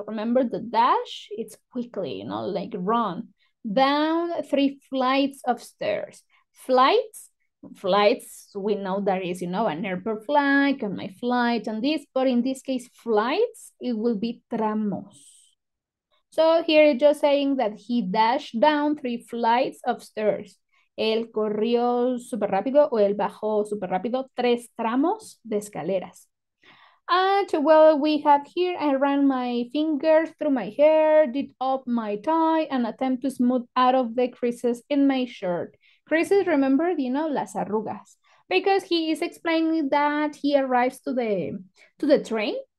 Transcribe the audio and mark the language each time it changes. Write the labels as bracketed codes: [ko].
[en] Remember the dash? It's quickly, like run down three flights of stairs. Flights, we know there is, an airport flight and my flight and this, but in this case, flights, it will be tramos. So here it's just saying that he dashed down three flights of stairs. [es] El corrió super rápido o el bajó super rápido tres tramos de escaleras. [en] And well, we have here, I ran my fingers through my hair, did up my tie, and attempt to smooth out of the creases in my shirt. Creases, remember, [es] las arrugas. [en] Because he is explaining that he arrives to the train.